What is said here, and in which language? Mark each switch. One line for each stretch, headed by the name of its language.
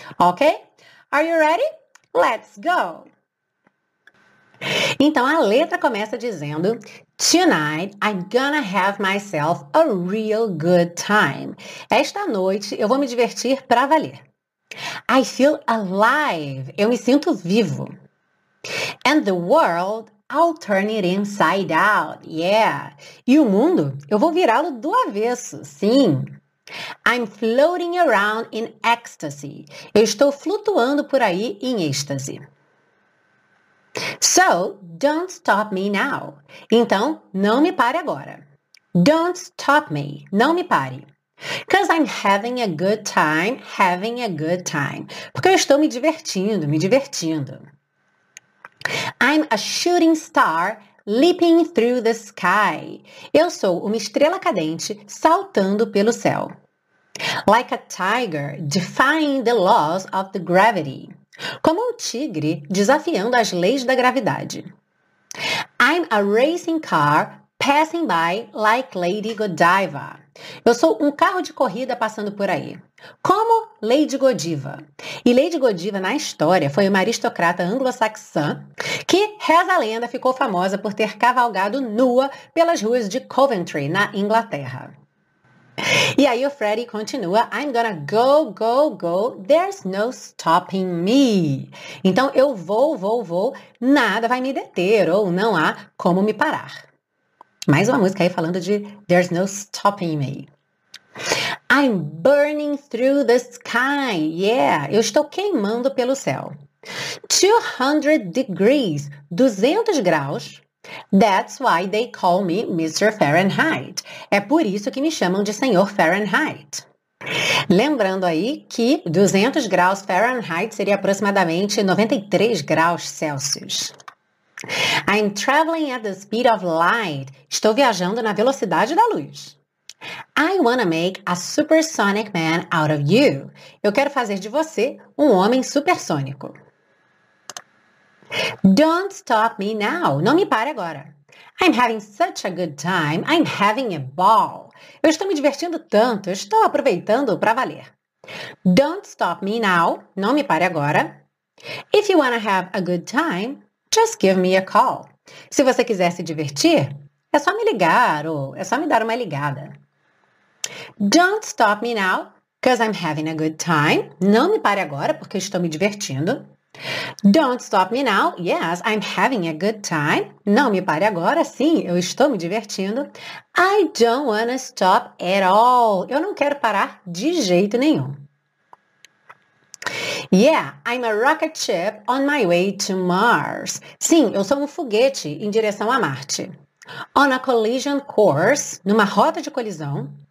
English: Ok? Are you ready? Let's go!
Portuguese: Então, a letra começa dizendo,
English: tonight I'm gonna have myself a real good time.
Portuguese: Esta noite eu vou me divertir pra valer. I feel alive. Eu me sinto vivo.
English: And the world, I'll turn it inside out. Yeah.
Portuguese: E o mundo, eu vou virá-lo do avesso. Sim.
English: I'm floating around in ecstasy.
Portuguese: Eu estou flutuando por aí em êxtase.
English: So, don't stop me now.
Portuguese: Então, não me pare agora.
English: Don't stop me.
Portuguese: Não me pare.
English: 'Cause I'm having a good time, having a good time.
Portuguese: Porque eu estou me divertindo, me divertindo.
English: I'm a shooting star leaping through the sky.
Portuguese: Eu sou uma estrela cadente saltando pelo céu.
English: Like a tiger defying the laws of the gravity.
Portuguese: Como um tigre desafiando as leis da gravidade.
English: I'm a racing car passing by like Lady Godiva.
Portuguese: Eu sou um carro de corrida passando por aí. Como Lady Godiva. E Lady Godiva, na história, foi uma aristocrata anglo-saxã que, reza a lenda, ficou famosa por ter cavalgado nua pelas ruas de Coventry, na Inglaterra. E aí o Freddy continua,
English: I'm gonna go, go, go, there's no stopping me.
Portuguese: Então eu vou, nada vai me deter ou não há como me parar. Mais uma música aí falando de
English: there's no stopping me. I'm burning through the sky, yeah,
Portuguese: eu estou queimando pelo céu.
English: 200 degrees,
Portuguese: 200 graus,
English: That's why they call me Mr. Fahrenheit.
Portuguese: É por isso que me chamam de Senhor Fahrenheit. Lembrando aí que 200 graus Fahrenheit seria aproximadamente 93 graus Celsius.
English: I'm traveling at the speed of light.
Portuguese: Estou viajando na velocidade da luz.
English: I wanna make a supersonic man out of you.
Portuguese: Eu quero fazer de você um homem supersônico.
English: Don't stop me now.
Portuguese: Não me pare agora.
English: I'm having such a good time. I'm having a ball.
Portuguese: Eu estou me divertindo tanto. Eu estou aproveitando para valer.
English: Don't stop me now.
Portuguese: Não me pare agora.
English: If you wanna have a good time, just give me a call.
Portuguese: Se você quiser se divertir, é só me ligar ou é só me dar uma ligada.
English: Don't stop me now, because I'm having a good time.
Portuguese: Não me pare agora, porque estou me divertindo.
English: Don't stop me now, yes, I'm having a good time.
Portuguese: Não me pare agora, sim, eu estou me divertindo.
English: I don't wanna stop at all.
Portuguese: Eu não quero parar de jeito nenhum.
English: Yeah, I'm a rocket ship on my way to Mars.
Portuguese: Sim, eu sou um foguete em direção a Marte.
English: On a collision course,
Portuguese: numa rota de colisão.